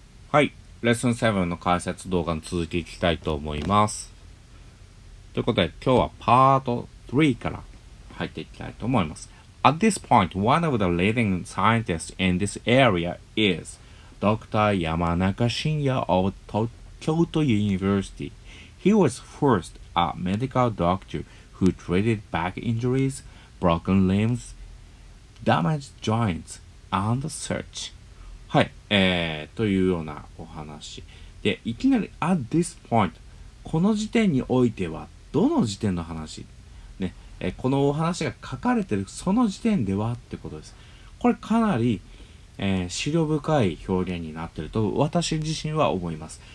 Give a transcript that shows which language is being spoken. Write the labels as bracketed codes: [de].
[ja] はい、レッスン7の解説動画の続きいきたいと思います。ということで今日はパート3から入っていきたいと思います。 [en] At this point, one of the leading scientists in this area is Dr. 山中伸也 of Kyoto University. He was first a medical doctor who treated back injuries, broken limbs, damaged joints, and such. [ja] はい、というようなお話で、いきなり [en] At this point、 [ja] この時点においてはどの時点の話ね、このお話が書かれているその時点ではってことです。これかなり、思慮深い表現になっていると私自身は思います。